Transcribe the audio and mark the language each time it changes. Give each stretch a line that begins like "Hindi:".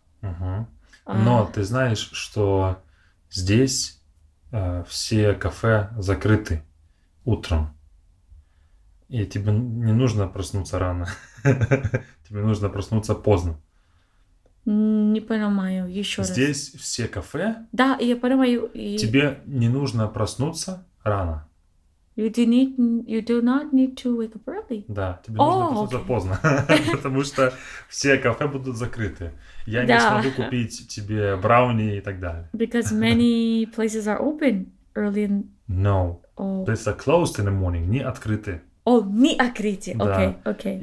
Russian: Но ты знаешь, что здесь все кафе закрыты утром. И тебе не нужно проснуться рано. Тебе нужно проснуться поздно. Не понимаю, еще раз. Здесь все кафе. Да, я понимаю. Тебе не нужно проснуться рано.
English: You do not need to wake up early.
Russian: Да, тебе нужно проснуться поздно. Потому что все кафе будут закрыты. Я не смогу купить тебе брауни и так далее.
English: Because many places are open early in... No. Places are closed in the morning,
Russian: не открыты. О, не открыты. Окей, окей.